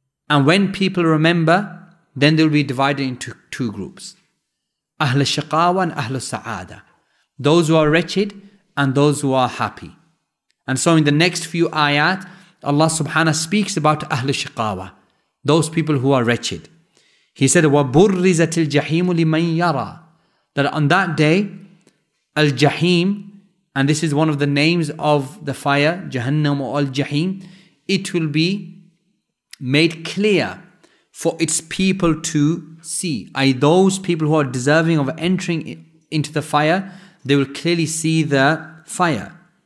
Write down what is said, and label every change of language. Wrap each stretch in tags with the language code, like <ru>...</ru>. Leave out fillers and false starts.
<en>And when people remember, then they'll be divided into two groups. Ahl al-shaqawa and ahl al-sa'ada. Those who are wretched and those who are happy. And so in the next few ayat, Allah subhanahu speaks about ahl al-shaqawa, those people who are wretched. He said,</en> <ar>وَبُرِّزَتِ الْجَحِيمُ لِمَنْ يَرَى.</ar> <en>That on that day, Al-Jahim, and this is one of the names of the fire, Jahannam or Al-Jahim, it will be made clear for its people to see. Those people who are deserving of entering into the fire, they will clearly see the fire.</en>